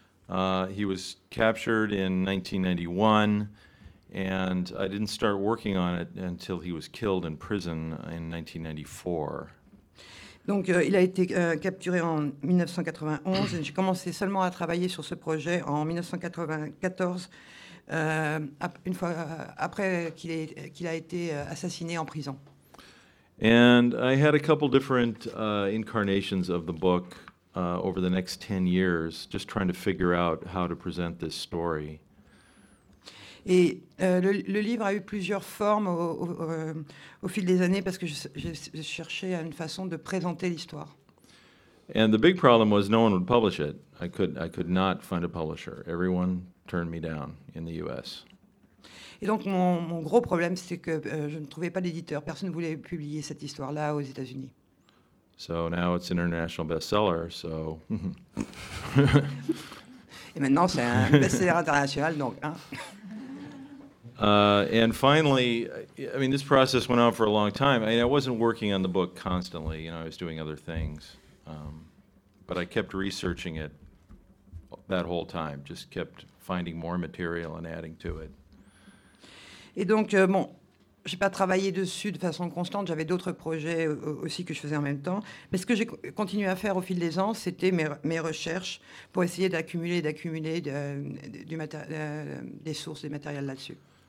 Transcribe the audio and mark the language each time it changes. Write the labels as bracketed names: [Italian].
[English] He was captured in 1991, and I didn't start working on it until he was killed in prison in 1994. [French] Donc, il a été capturé en 1991, et j'ai commencé seulement à travailler sur ce projet en 1994, après qu'il a été assassiné en prison. [English] And I had a couple different incarnations of the book over the next 10 years, just trying to figure out how to present this story. [French] Et le livre a eu plusieurs formes au fil des années parce que je cherchais une façon de présenter l'histoire. [English] And the big problem was no one would publish it. I could not find a publisher. Everyone turned me down in the US. [French] Et donc mon gros problème c'est que je ne trouvais pas d'éditeur. Personne ne voulait publier cette histoire là aux États-Unis. [English] So now it's an international bestseller, so [French] Et maintenant c'est un best-seller international donc hein. [English] And finally, I mean, this process went on for a long time. I mean, I wasn't working on the book constantly, you know, I was doing other things. But I kept researching it that whole time, just kept finding more material and adding to it. [French] Et donc, bon, j'ai pas travaillé dessus de façon constante, j'avais d'autres projets aussi que je faisais en même temps. Mais ce que j'ai continué à faire au fil des ans, c'était mes recherches pour essayer d'accumuler des sources, des matériels là-dessus.